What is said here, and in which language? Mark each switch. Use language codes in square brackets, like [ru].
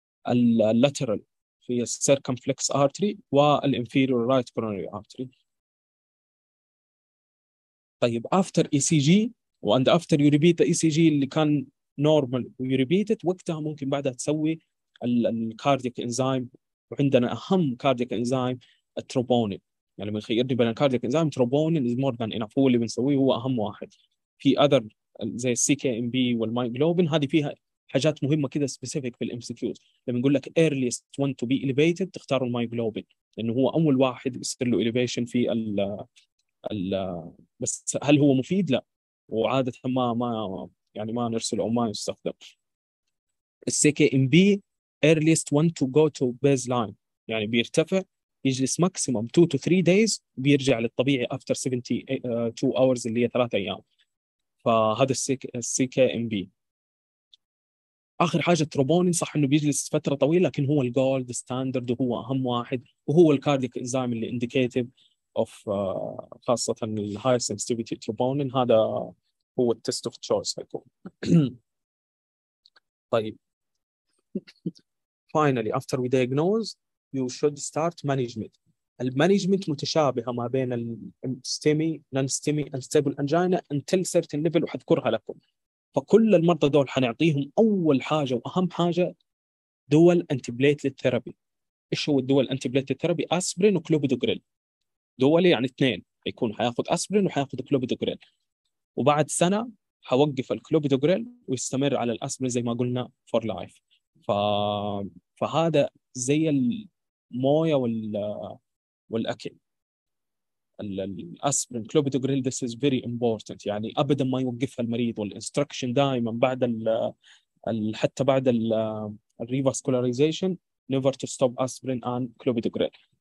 [ar] اللاترال في السيركمفلكس ارتري والانفيريور رايت كوروني ارتري. [en] طيب after ECG and after you repeat the ECG [ar] اللي كان [en] normal you repeat it، [ar] وقتها ممكن بعدها تسوي الكارديك انزيم. وعندنا أهم كارديك انزيم التروبونين، يعني من خيرني بين الكارديك انزيم تروبونين [en] is more than enough، [ar] هو اللي بنسويه هو أهم واحد. في other زي CKMB والمايوغلوبين، هذه فيها حاجات مهمة كده specific في الامسكيوز. لما نقول لك [en] earliest one to be elevated [ar] تختار المايوغلوبين، لأنه هو أول واحد يصير له elevation في ال بس هل هو مفيد؟ لا، وعادة ما نرسل أو ما يستخدم. CKMB [en] earliest one to go to baseline، [ar] يعني بيرتفع يجلس maximum 2 to 3 days بيرجع للطبيعي [en] after 72 hours [ar] اللي هي 3 أيام. فهذا CKMB. آخر حاجة تروبونين، صح أنه بيجلس فترة طويلة لكن هو الجولد ستاندرد وهو أهم واحد، وهو الكارديك إنزيم اللي indicative of خاصة الـ [en] high sensitivity troponin، [ar] هذا هو الـ [en] test of choice [ar] هيكون. [en] طيب finally after we diagnose you should start management. الـ management [ar] متشابهة ما بين الـ [en] STEMI, non-STEMI and stable angina until certain level، [ar] وحذكرها لكم. فكل المرضى دول حنعطيهم أول حاجة وأهم حاجة [en] dual antiplatelet therapy. [ar] إيش هو [en] dual antiplatelet therapy؟ aspirin و clopidogrel. [ar] دولي يعني اثنين، يكون حياخد أسبرين وحياخد كلوبيدوغريل، وبعد سنة حوقف الكلوبيدوغريل ويستمر على الأسبرين زي ما قلنا [en] for life. [ar] فهذا زي الموية والأكل، الأسبرين كلوبيدوغريل [en] this is very important، [ar] يعني أبدا ما يوقفها المريض، والإنستركشن دائما بعد حتى بعد الريفاسكولاريزيشن [en] never to stop [ar] أسبرين and كلوبيدوغريل.